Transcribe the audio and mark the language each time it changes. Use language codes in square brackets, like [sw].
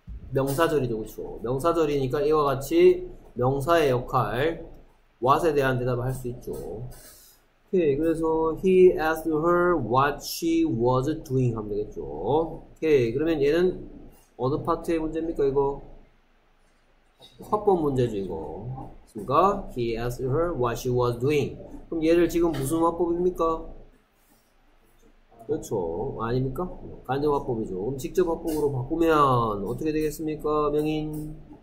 [ko] 명사절이죠, 그쵸? 명사절이니까 이와 같이 명사의 역할, what에 대한 대답을 할수 있죠. 오케이, 그래서 [en] he asked her what she was doing [ko] 하면 되겠죠. 오케이, 그러면 얘는 어느 파트의 문제입니까, 이거? 화법 문제죠, 이거. 그니까, [en] he asked her what she was doing. [ko] 그럼 얘를 지금 무슨 화법입니까? 그렇죠. 아닙니까? 간접화법이죠. 그럼 직접 화법으로 바꾸면 어떻게 되겠습니까, 명인?